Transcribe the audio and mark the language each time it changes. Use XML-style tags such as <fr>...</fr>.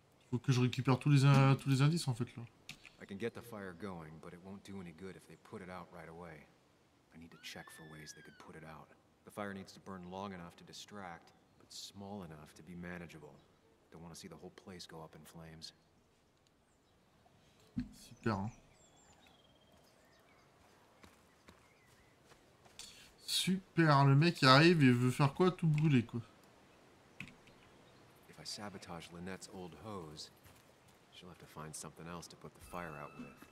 <fr>Faut que je récupère tous les indices, en fait, là.</fr> <en>I can get the fire going, but it won't do any good if they put it out right away. I need to check for ways they could put it out. The fire needs to burn long enough to distract, but small enough to be manageable. Don't want to see the whole place go up in flames.</en> <fr>Super, hein. Super, le mec qui arrive et veut faire quoi? Tout brûler, quoi.</fr> <en>If I sabotage Lynette's old hose, she'll have to find something else to put the fire out with.</en>